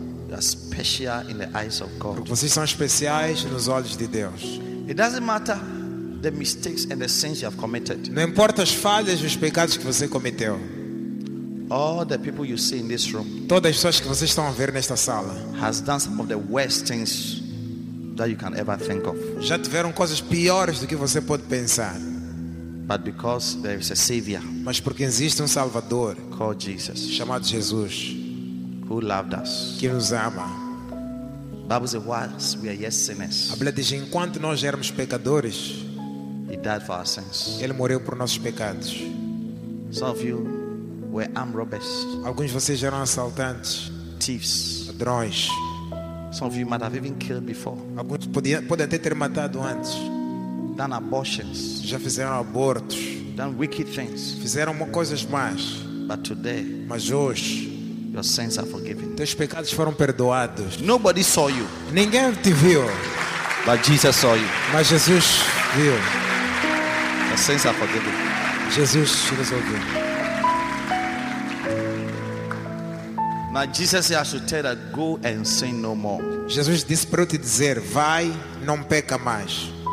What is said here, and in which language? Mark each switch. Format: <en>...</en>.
<en>You are special in the eyes of God.</en> <pt>Porque vocês são especiais nos olhos de Deus.</pt> <en>It doesn't matter the mistakes and the sins you have committed.</en> <pt>Não importa as falhas e os pecados que você cometeu.</pt> <en>All the people you see in this room.</en> <pt>Todas as pessoas que vocês estão a ver nesta sala.</pt> <en>Has done some of the worst things that you can ever think of.</en> <pt>Já tiveram coisas piores do que você pode pensar.</pt> <en>But because there is a savior.</en> <pt>Mas porque existe Salvador.</pt> <en>Called Jesus.</en> <pt>Chamado Jesus.</pt> <en>Who loved us.</en> <pt>Que nos ama.</pt> <en>Bible says whilst we are yet sinners.</en> <pt>A Bíblia diz enquanto nós éramos pecadores.</pt> <en>He died for our sins.</en> <pt>Ele morreu por nossos pecados.</pt> <en>Some of you were armed robbers.</en> <pt>Alguns de vocês eram assaltantes.</pt> <en>Thieves.</en> <pt>Ladrões.</pt> <en>Some of you might have even killed before.</en> <pt>Alguns podem até ter matado antes.</pt> <en>Done abortions.</en> <pt>Já fizeram abortos.</pt> <en>Done wicked things.</en> <pt>Fizeram coisas más.</pt> <en>But today,</en> <pt>mas hoje,</pt> <en>your sins are forgiven.</en> <pt>Teus pecados foram perdoados.</pt> <en>Nobody saw you.</en> <pt>Ninguém te viu.</pt> <en>But Jesus saw you.</en> <pt>Mas Jesus viu.</pt> <en>Your sins are forgiven.</en> <pt>Jesus te resolveu.</pt> <en>Jesus said, "I should tell that go and sin no more."</en> <pt>Jesus disse para eu te dizer, vai, não peca mais.</pt>